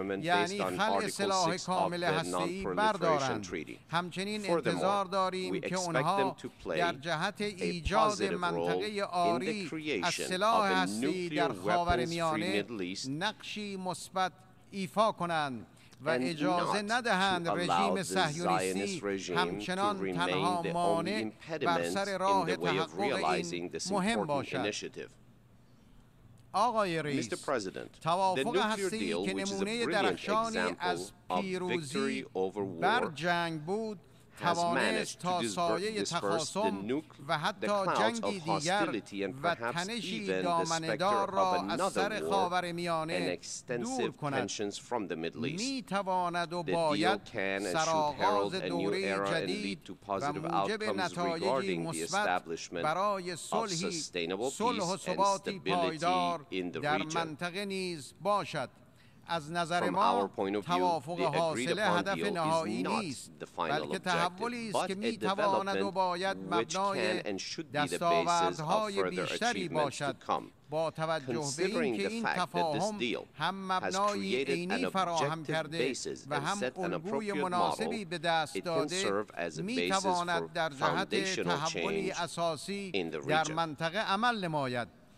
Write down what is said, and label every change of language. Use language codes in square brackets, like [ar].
[fa] یعنی خلع سلاح کامل هسته‌ای بردارند همچنین انتظار داریم که اونها در جهت ایجاد منطقه آری از سلاح هسته‌ای در خاورمیانه نقشی مثبت ایفا کنند و اجازه ندهند رژیم صهیونیستی همچنان تنها مانع بر سر راه تحقق این مهم باشد. آقای رئیس، توافق هسته‌ای که نمونه درخشانی از پیروزی بر جنگ بود [en] has managed to disperse the nuclear clouds of hostility and perhaps even the specter of another war and extensive tensions from the Middle East. The deal can and should herald a new era and lead to positive outcomes regarding the establishment of sustainable peace and stability in the region. [fa] از نظر ما توافق حاصل هدف نهایی نیست بلکه تحولی است که می تواند و باید مبنای دستاوردهای بیشتری باشد با توجه به اینکه این تفاهم هم مبنای عینی فراهم کرده و هم الگوی مناسبی به دست داده می تواند در جهت تحولی اساسی در منطقه عمل نماید